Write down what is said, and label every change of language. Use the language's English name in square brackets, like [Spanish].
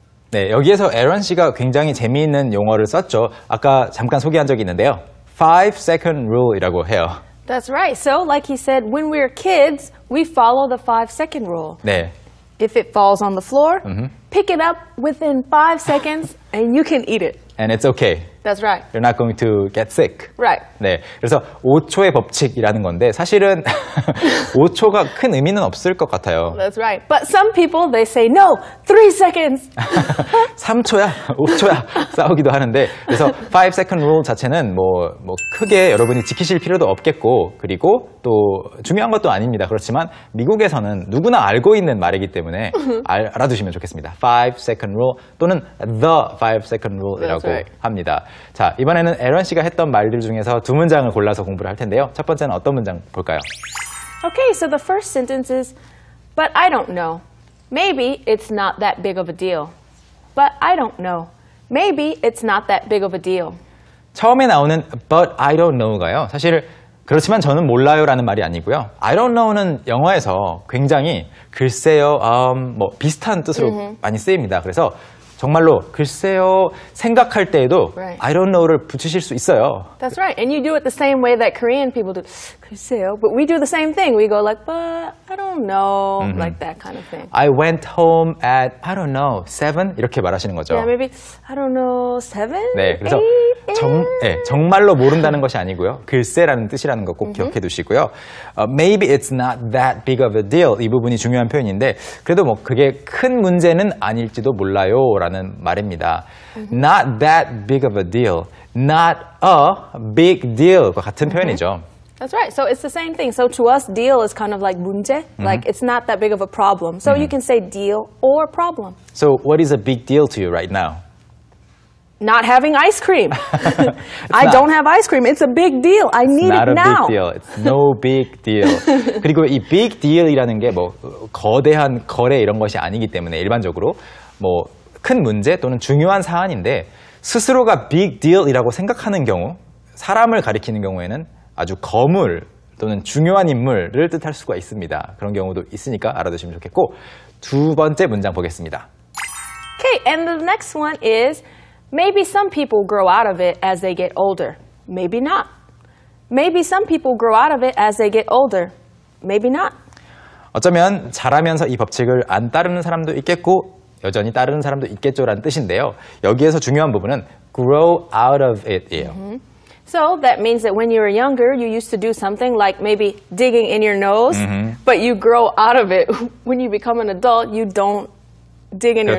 [Korean] 네, 여기에서 에런 씨가 굉장히 재미있는 용어를 썼죠. 아까 잠깐 소개한 적이 있는데요. 5-second rule이라고 해요. [English] That's right. So, like he said, when we were kids, we follow the 5-second rule. [Korean] 네. [English] If it falls on the floor, pick it up within 5 seconds and you can eat it. And it's okay. That's right. You're not going to get sick. Right. [Korean] 네. 그래서 5초의 법칙이라는 건데 사실은 5초가 큰 의미는 없을 것 같아요. [English] That's right. But some people, they say, no, 3 seconds. [Korean] 3초야? 5초야? 싸우기도 하는데 그래서 5-second rule 자체는 뭐 크게 여러분이 지키실 필요도 없겠고 그리고 또 중요한 것도 아닙니다. 그렇지만 미국에서는 누구나 알고 있는 말이기 때문에 알아두시면 좋겠습니다. 5-second rule 또는 the 5-second rule이라고 [English] right. [Korean] 합니다. 자, 이번에는 에런 씨가 했던 말들 중에서 두 문장을 골라서 공부를 할 텐데요. 첫 번째는 어떤 문장 볼까요? [English] Okay, so the first sentence is, but I don't know. Maybe it's not that big of a deal. But I don't know. Maybe it's not that big of a deal. [Korean] 처음에 나오는 [English] but I don't know [Korean] 가요. 사실 그렇지만 저는 몰라요라는 말이 아니고요. [English] I don't know [Korean] 는 영어에서 굉장히 글쎄요, 뭐 비슷한 뜻으로 많이 쓰입니다. 그래서 정말로 글쎄요 생각할 때에도 [English] right. [Korean] I don't know를 붙이실 수 있어요. [English] That's right. And you do it the same way that Korean people do. [Korean] 글쎄요. [English] But we do the same thing. We go like, but I don't know. Like that kind of thing. I went home at, I don't know, 7? [Korean] 이렇게 말하시는 거죠. [English] Yeah, maybe, I don't know, 7? [Korean] 네, 그래서 8? 네, 정말로 모른다는 것이 아니고요. 글쎄라는 뜻이라는 거 꼭 기억해 두시고요. [English] Maybe it's not that big of a deal. [Korean] 이 부분이 중요한 표현인데 그래도 뭐 그게 큰 문제는 아닐지도 몰라요. 라는 말입니다. [English] Not that big of a deal. [Korean] Not a big deal과 같은 표현이죠. [English] That's right. So it's the same thing. So to us, deal is kind of like 문제. Like it's not that big of a problem. So you can say deal or problem. So what is a big deal to you right now? Not having ice cream. I not, don't have ice cream. It's a big deal. I need it now. It's not a big deal. It's no big deal. [Korean] 그리고 이 big deal이라는 게 뭐 거대한 거래 이런 것이 아니기 때문에 일반적으로 뭐 큰 문제 또는 중요한 사안인데 스스로가 big deal이라고 생각하는 경우 사람을 가리키는 경우에는 아주 거물 또는 중요한 인물을 뜻할 수가 있습니다. 그런 경우도 있으니까 알아두시면 좋겠고 두 번째 문장 보겠습니다. [English] Okay, and the next one is Maybe some people grow out of it as they get older. Maybe not. Maybe some people grow out of it as they get older. Maybe not. [Korean] 어쩌면 자라면서 이 법칙을 안 따르는 사람도 있겠고 여전히 따르는 사람도 있겠죠라는 뜻인데요. 여기에서 중요한 부분은 grow out of it이에요. Mm-hmm. [English] So that means that when you were younger, you used to do something like maybe digging in your nose, mm-hmm. but you grow out of it. When you become an adult, you don't dig in